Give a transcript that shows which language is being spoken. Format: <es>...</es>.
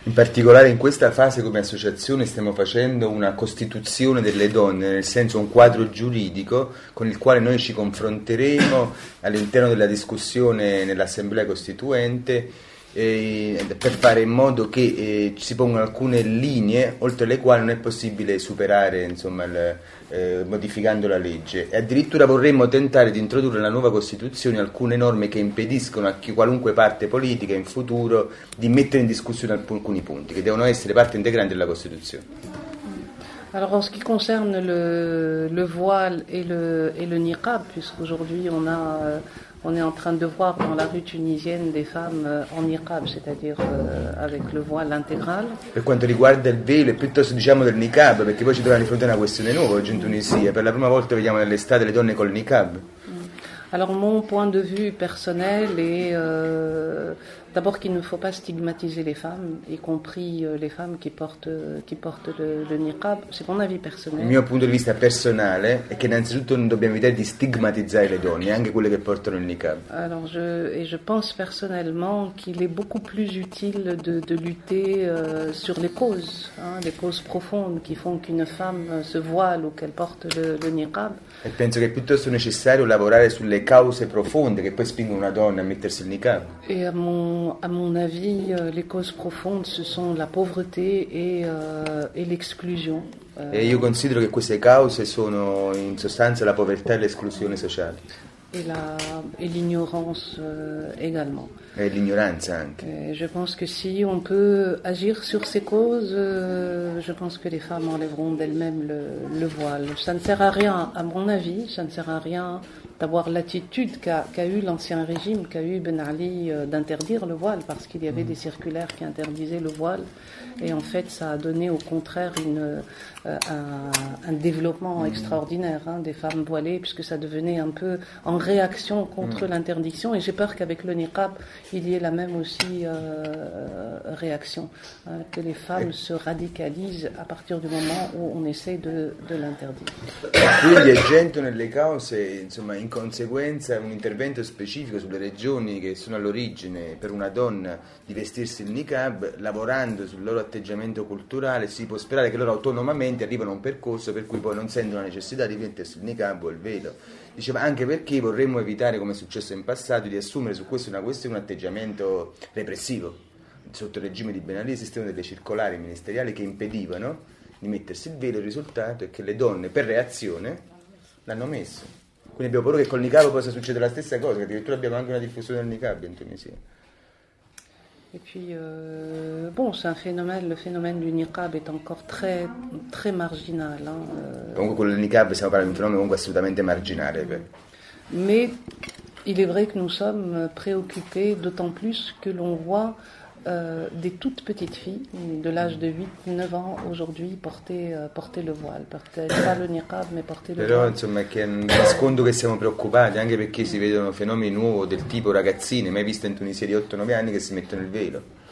<it>In particolare in questa fase come associazione stiamo facendo una costituzione delle donne, nel senso un quadro giuridico con il quale noi ci confronteremo all'interno della discussione nell'Assemblea Costituente per fare in modo che si pongano alcune linee oltre le quali non è possibile superare, insomma, modificando la legge. E addirittura vorremmo tentare di introdurre nella nuova Costituzione alcune norme che impediscono a qualunque parte politica in futuro di mettere in discussione alcuni punti che devono essere parte integrante della Costituzione.</it> <fr>Alors, en ce qui concerne le voile et le niqab, puisqu'aujourd'hui on est en train de voir dans la rue tunisienne des femmes en niqab, c'est-à-dire avec le voile intégral.</fr> <it>Per quanto riguarda il velo, è piuttosto diciamo del niqab, perché poi ci troviamo di fronte a una questione nuova oggi in Tunisia. Per la prima volta vediamo nelle strade le donne col niqab.</it> <fr>Alors, mon point de vue personnel est d'abord qu'il ne faut pas stigmatiser les femmes, y compris les femmes qui portent le niqab. C'est mon avis personnel.</fr> <it>Il mio punto di vista personale è che innanzitutto non dobbiamo evitare di stigmatizzare le donne, anche quelle che portano il niqab.</it> <fr>Alors, je pense personnellement qu'il est beaucoup plus utile de lutter sur les causes, hein, les causes profondes qui font qu'une femme se voile ou qu'elle porte le niqab.</fr> <it>E penso che è piuttosto necessario lavorare sulle cause profonde che poi spingono una donna a mettersi il niqab.</it> <fr>Et à mon avis, les causes profondes, ce sont la pauvreté et l'exclusion.</fr> <it>E io considero che queste cause sono in sostanza la povertà e l'esclusione sociale.</it> <fr>Et l'ignorance également. Et l'ignorance</fr> <it>anche.</it> <fr>Et je pense que si on peut agir sur ces causes, je pense que les femmes enlèveront d'elles-mêmes le voile. Ça ne sert à rien, à mon avis, ça ne sert à rien d'avoir l'attitude qu'a eu l'ancien régime, qu'a eu Ben Ali, d'interdire le voile, parce qu'il y avait des circulaires qui interdisaient le voile. Et en fait, ça a donné au contraire un développement extraordinaire, hein, des femmes voilées, puisque ça devenait un peu en réaction contre l'interdiction. Et j'ai peur qu'avec le niqab, il y ait la même aussi réaction, hein, que les femmes se radicalisent à partir du moment où on essaie de l'interdire.</fr> <it>Quindi agendono nelle cause, insomma, in conseguenza un intervento specifico sulle regioni che sono all'origine per una donna di vestirsi il niqab, lavorando sul loro atteggiamento culturale, si può sperare che loro autonomamente arrivano a un percorso per cui poi non sentono la necessità di mettersi il niqab o il velo. Diceva anche perché vorremmo evitare, come è successo in passato, di assumere su questo una questione un atteggiamento repressivo sotto il regime di Ben Ali. Esistevano delle circolari ministeriali che impedivano di mettersi il velo, il risultato è che le donne per reazione l'hanno messo. Quindi abbiamo paura che col niqab possa succedere la stessa cosa, che addirittura abbiamo anche una diffusione del niqab in Tunisia.</it> <fr>Et puis, c'est un phénomène, le phénomène du niqab est encore très, très marginal. Hein.</fr> <it>Comunque con il niqab stiamo parlando di un fenomeno comunque assolutamente marginale.</it> <fr>Mais il est vrai que nous sommes préoccupés, d'autant plus que l'on voit des toutes petites filles, de l'âge de 8-9 ans aujourd'hui, porter le voile. Peut-être pas le niqab, mais porter le voile.</fr> <it>Però, insomma, che nascondo che siamo preoccupati, anche perché si vedono fenomeni nuovi del tipo ragazzine, mai visto in Tunisia di 8-9 anni, che si mettono il velo.</it>